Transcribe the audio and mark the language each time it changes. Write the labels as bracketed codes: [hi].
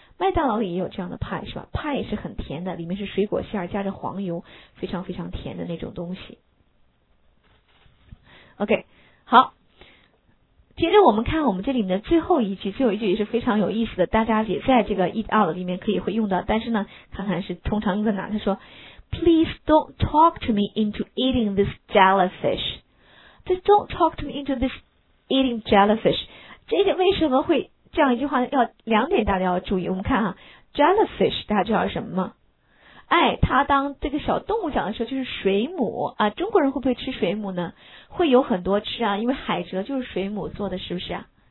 [zh] 麦当劳里也有这样的派是吧？派也是很甜的，里面是水果馅加着黄油，非常非常甜的那种东西。OK， 好，接着我们看我们这里面的最后一句，最后一句也是非常有意思的，大家也在这个 eat out 里面可以会用到，但是呢看看是通常用在哪。他说 [en] Please don't talk to me into eating this jellyfish. Please don't talk to me into this eating jellyfish. [zh] 这个为什么会这样一句话呢？要两点大家要注意。我们看哈， jellyfish 大家知道什么吗？哎，他当这个小动物讲的时候就是水母啊。中国人会不会吃水母呢？会有很多吃啊，因为海蜇就是水母做的，是不是啊？